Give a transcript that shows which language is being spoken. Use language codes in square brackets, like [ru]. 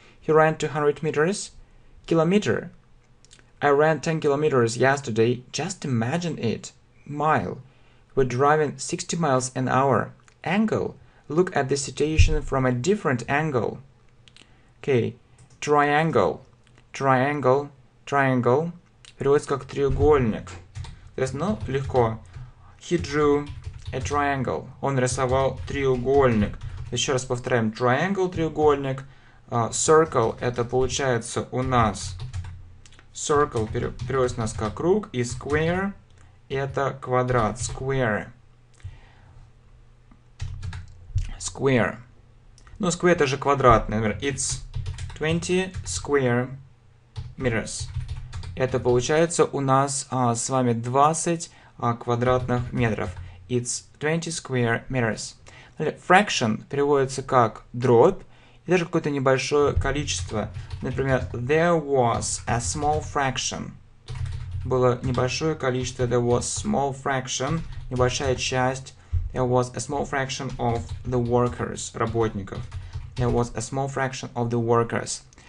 [en] He ran 200 meters. Kilometer. I ran 10 kilometers yesterday. Just imagine it. Mile. We're driving 60 miles an hour. Angle. Look at the situation from a different angle. Okay. Triangle. Triangle. Triangle. [ru] Переводится как треугольник. То есть, ну, легко. [en] He drew a triangle. [ru] Он рисовал треугольник. Еще раз повторяем. Triangle, треугольник. Circle. Это получается у нас. Circle переводится у нас как круг. И square. Это квадрат. Square. Square. Ну, square это же квадратный. Например, [en] it's 20 square meters. [ru] Это получается у нас с вами 20 квадратных метров. [en] It's 20 square meters. Fraction [ru] переводится как дробь. И даже какое-то небольшое количество. Например, [en] there was a small fraction. [ru] Было небольшое количество. [en] There was small fraction. [ru] Небольшая часть. [en] There was a small fraction of the workers. [ru] Работников. [en] There was a small fraction of the workers.